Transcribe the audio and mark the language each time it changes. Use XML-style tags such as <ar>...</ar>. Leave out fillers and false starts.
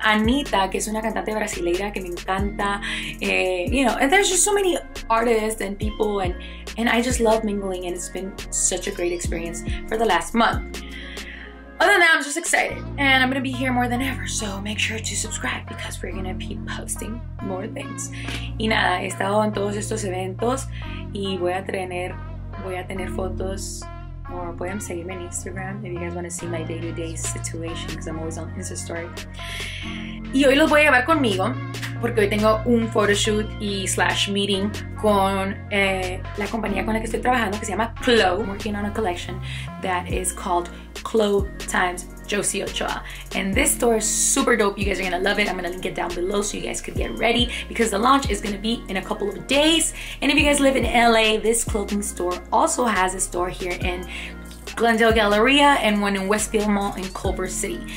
<en>Anita,</en> <es>que es una cantante brasileira que me encanta,</es> <en>you know, and there's just so many artists and people, and I just love mingling, and it's been such a great experience for the last month. Other than that, I'm just excited and I'm gonna be here more than ever, so make sure to subscribe because we're gonna be posting more things.</en> <es>Y nada, he estado en todos estos eventos y voy a tener fotos</es> <en>or</en> <es>voy a seguirme en Instagram</es> <en>if you guys want to see my day-to-day situation, because I'm always on Insta story.</en> <es>Y hoy los voy a llevar conmigo porque hoy tengo un photoshoot y slash meeting con la compañía con la que estoy trabajando, que se llama Chloe.</es> <en>I'm working on a collection that is called Chloe times Jossie Ochoa. And this store is super dope. You guys are gonna love it. I'm gonna link it down below so you guys could get ready, because the launch is gonna be in a couple of days. And if you guys live in LA, this clothing store also has a store here in Glendale Galleria and one in Westfield Mall in Culver City.</en>